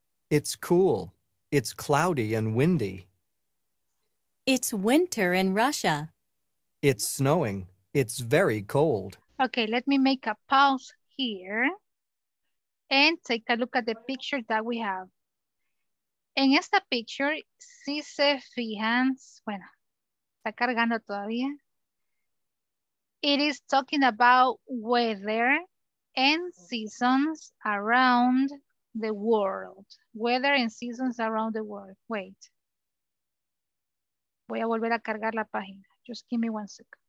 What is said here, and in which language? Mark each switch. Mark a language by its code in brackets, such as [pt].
[en] It's cool. It's cloudy and windy. It's winter in Russia. It's snowing. It's very cold. Okay, let me make a pause here and take a look at the picture that we have. [es] En esta picture, si se fijan, bueno, está cargando todavía. [en] It is talking about weather and seasons around the world. Weather and seasons around the world. Wait. [es] Voy a volver a cargar la página. [en] Just give me one second.